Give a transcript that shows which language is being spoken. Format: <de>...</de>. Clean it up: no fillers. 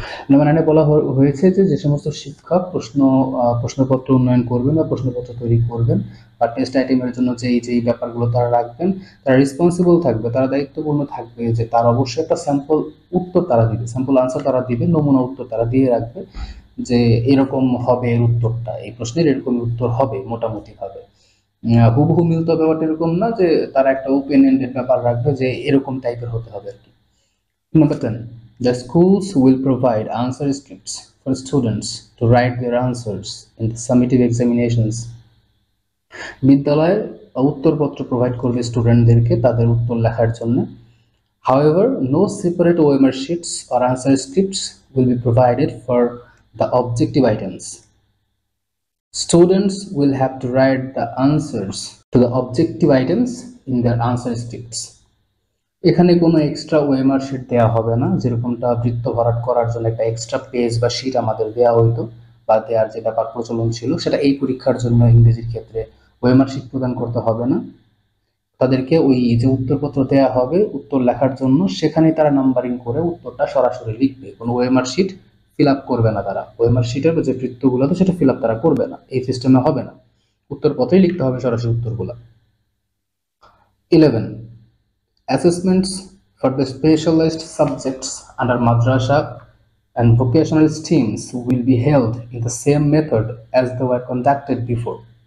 <bn>Number 9 বলা হয়েছে যে সমস্ত শিক্ষক প্রশ্নপত্র উন্নয়ন করবেন বা প্রশ্নপত্র তৈরি করবেন বা টেস্ট আইটেমের জন্য যেই যেই ব্যাপারগুলো তারা রাখবেন, তারা রেসপন্সিবল থাকবে, তারা দায়িত্বপূর্ণ থাকবে যে তারা অবশ্যই একটা স্যাম্পল উত্তর তারা দিবে, স্যাম্পল আনসার তারা দিবে, নমুনা উত্তর তারা দিয়ে রাখবে যে এরকম হবে এর উত্তরটা, এই প্রশ্নের এরকমই উত্তর হবে মোটামুটি ভাবে। হুবহু মিলত ব্যাপারটা এরকম না যে তারা একটা ওপেন এন্ডেড ব্যাপার রাখবে যে এরকম টাইপের হতে হবে আর কি। Number 10,</bn> <en>The schools will provide answer scripts for students to write their answers in the summative examinations.</en> <bn>বিদ্যালয় উত্তরপত্র প্রোভাইড করবে স্টুডেন্টদেরকে তাদের উত্তর লেখার জন্য।</bn> <en>However, no separate OMR sheets or answer scripts will be provided for the objective items. Students will have to write the answers to the objective items in their answer scripts.</en> <bn>এখানে কোনো extra OMR sheet দেওয়া হবে না, যেরকমটা বৃত্ত ভরাট করার জন্য একটা এক্সট্রা পেজ বা শিট আমাদের দেওয়া হইতো বা দেওয়ার যে ব্যাপার প্রচলন ছিল সেটা এই পরীক্ষার জন্য ইংরেজির ক্ষেত্রে ওএমআর শিট প্রদান করতে হবে না। তাদেরকে ওই যে উত্তরপত্র দেওয়া হবে উত্তর লেখার জন্য সেখানে তারা নাম্বারিং করে উত্তরটা সরাসরি লিখবে, কোনো ওএমআর শিট ফিল আপ করবে না তারা, ওএমআর শিটের যে বৃত্তগুলো তো সেটা ফিল আপ তারা করবে না, এই সিস্টেমে হবে না, উত্তরপত্রেই লিখতে হবে সরাসরি উত্তরগুলো।</bn> <en>11, Assessments for the specialized subjects under madrasa and vocational streams will be held in the same method as they were conducted before.</en>